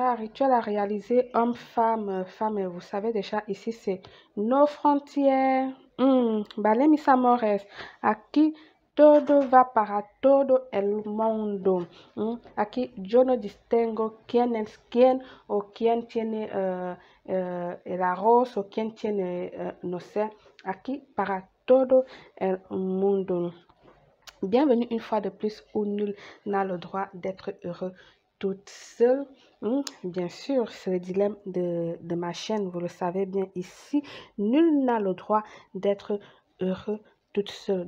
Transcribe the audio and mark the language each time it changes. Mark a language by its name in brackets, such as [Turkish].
[French] Rituel à réaliser, homme, femme, femme, vous savez déjà, ici c'est nos frontières. Balemi Samores, à qui? [Spanish] Todo va para todo el mundo. Aquí yo no distingo quién es quién o quién tiene el arroz o quién tiene, no sé. Aquí para todo el mundo. [French] Bienvenue une fois de plus où nul n'a le droit d'être heureux toute seule. Bien sûr, c'est le dilemme de ma chaîne. Vous le savez bien ici. Nul n'a le droit d'être heureux toute seule.